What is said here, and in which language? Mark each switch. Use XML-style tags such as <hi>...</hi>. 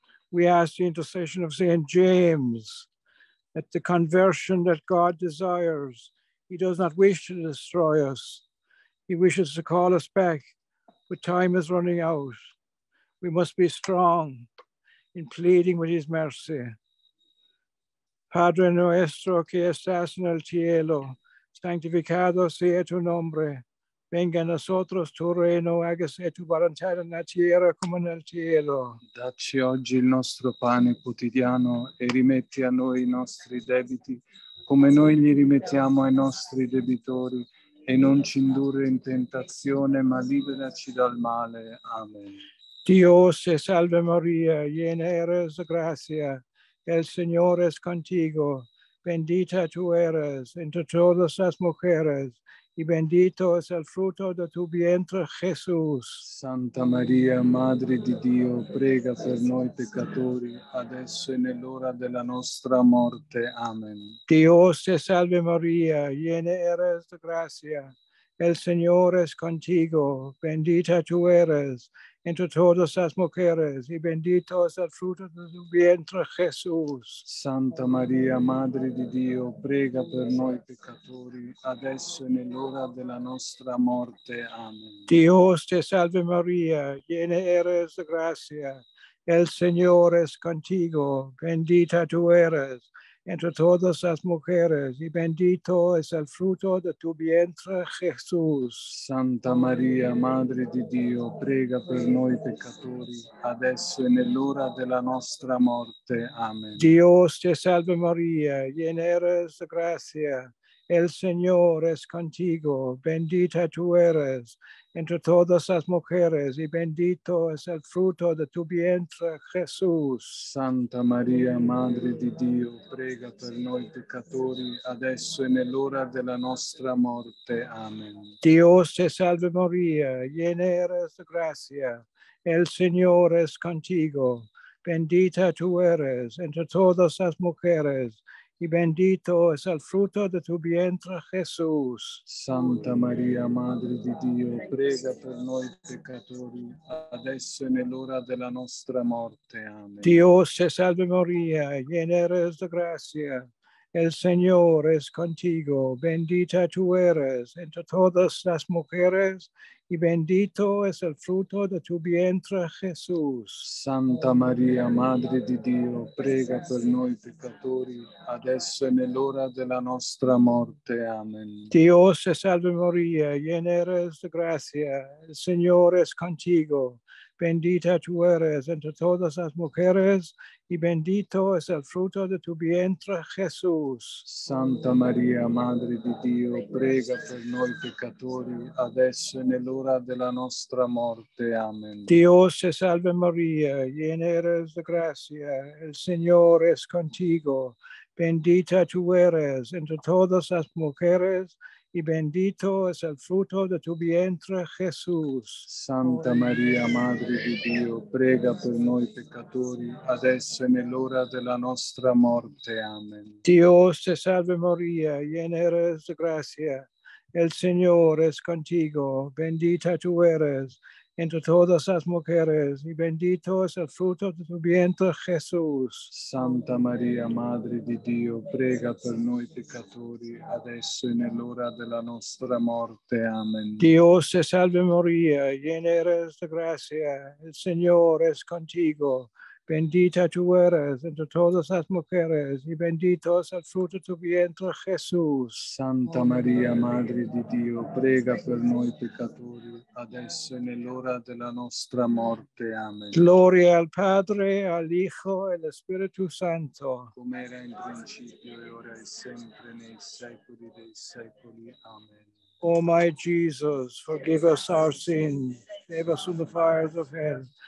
<en>We ask the intercession of St. James that the conversion that God desires, he does not wish to destroy us. He wishes to call us back, but time is running out. We must be strong in pleading with his mercy.</en> <es>Padre nuestro que estás en el cielo, santificado sea tu nombre. Venga a nosotros tu reino, hágase tu voluntad en la tierra como en el cielo.</es> <it>Dacci oggi il nostro pane quotidiano e rimetti a noi i nostri debiti, come noi li rimettiamo ai nostri debitori, e non ci indurre in tentazione, ma liberaci dal male. Amen.</it> <es>Dios te salve Maria, llena eres de gracia, el Signore es contigo, bendita tu eres entre todas las mujeres, y bendito es el fruto de tu vientre, Jesús.</es> <it>Santa María, Madre di Dio, prega per noi peccatori, adesso e nell'ora della nostra morte. Amen.</it> <es>Dios te salve María, llena eres de gracia. El Señor es contigo, bendita tú eres entre todas las mujeres, y bendito es el fruto de tu vientre, Jesús.</es> <it>Santa María, Madre di Dio, prega per noi peccatori, adesso e nell'ora della nostra morte. Amen.</it> <es>Dios te salve María, llena eres de gracia. El Señor es contigo, bendita tú eres entre todas las mujeres, y bendito es el fruto de tu vientre, Jesús.</es> <it>Santa María, Madre di Dio, prega per noi peccatori, adesso e nell'ora della nostra morte. Amen.</it> <es>Dios te salve María, llena eres de gracia. El Señor es contigo, bendita tú eres entre todas las mujeres, y bendito es el fruto de tu vientre, Jesús.</es> <it>Santa María, Madre di Dio, prega per noi peccatori, adesso e nell'ora della nostra morte. Amen.</it> <es>Dios te salve María, llena eres de gracia. El Señor es contigo, bendita tú eres entre todas las mujeres, y bendito es el fruto de tu vientre, Jesús.</es> <it>Santa María, Madre de Dio, prega per noi peccatori, adesso e nell'ora della nostra morte. Amen.</it> <es>Dios te salve María, llena eres de gracia. El Señor es contigo, bendita tú eres entre todas las mujeres, y bendito es el fruto de tu vientre, Jesús.</es> <it>Santa María, Madre de Dio, prega por noi peccatori, adesso e nell'ora della nostra morte. Amen.</it> <es>Dios te salve María, llena eres de gracia, el Señor es contigo. Bendita tú eres entre todas las mujeres, y bendito es el fruto de tu vientre, Jesús.</es> <it>Santa María,</it> <es>Madre de Dios,</es> <it>prega por noi peccatori, adesso e nell'ora della nostra morte. Amen.</it> <es>Dios te salve María, llena eres de gracia, el Señor es contigo. Bendita tú eres entre todas las mujeres, y bendito es el fruto de tu vientre, Jesús.</es> <it>Santa María,</it> <es>Madre de Dios,</es> <it>prega por noi peccatori, adesso e nell'ora della nostra morte. Amen.</it> <es>Dios te salve María, llena eres de gracia, el Señor es contigo, bendita tú eres entre todas las mujeres, y bendito es el fruto de tu vientre, Jesús.</es> <it>Santa María,</it> <es>Madre de Dios,</es> <it>prega por noi peccatori, adesso e nell'ora della nostra morte. Amen.</it> <es>Dios te salve María, llena eres de gracia, el Señor es contigo. Bendita tú eres entre todas las mujeres, y bendito es el fruto de tu vientre, Jesús.</es> <it>Santa María,</it> <es>Madre de Dios,</es> <it>prega por noi peccatori, adesso e nell'ora della nostra morte. Amen.</it> <es>Gloria al Padre, al Hijo e al Espíritu Santo.</es> <it>Come era in principio, e ora e sempre, nei secoli dei secoli. Amen.</it> <en>O my Jesus, forgive us our sins, save us from the fires of hell.</en>